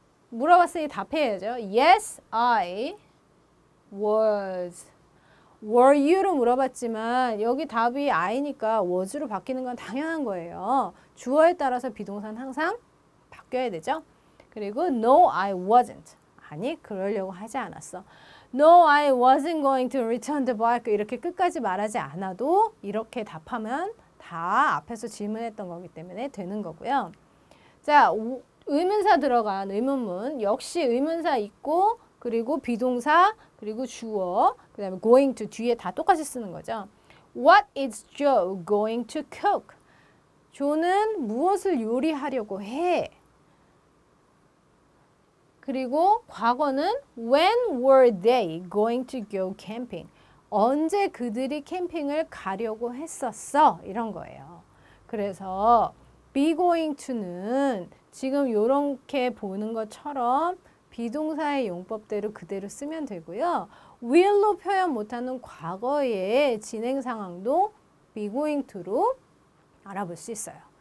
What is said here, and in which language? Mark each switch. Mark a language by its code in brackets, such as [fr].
[ko] 물어봤으니 답해야죠. [en] Yes, I was. [ko] Were you로 물어봤지만 여기 답이 I니까 was로 바뀌는 건 당연한 거예요. 주어에 따라서 비동사는 항상 바뀌어야 되죠. 그리고 [en] no, I wasn't. [ko] 아니, 그러려고 하지 않았어. [en] No, I wasn't going to return the bike. [ko] 이렇게 끝까지 말하지 않아도 이렇게 답하면 다 앞에서 질문했던 거기 때문에 되는 거고요. 자, 의문사 들어간 의문문. 역시 의문사 있고, 그리고 비동사, 그리고 주어, 그다음에 going to 뒤에 다 똑같이 쓰는 거죠. [en] What is Joe going to cook? [ko] 조는 무엇을 요리하려고 해? 그리고 과거는 [en] When were they going to go camping? [ko] 언제 그들이 캠핑을 가려고 했었어? 이런 거예요. 그래서 be going to는 지금 이렇게 보는 것처럼 비동사의 용법대로 그대로 쓰면 되고요. will로 표현 못하는 과거의 진행 상황도 be going to로 알아볼 수 있어요.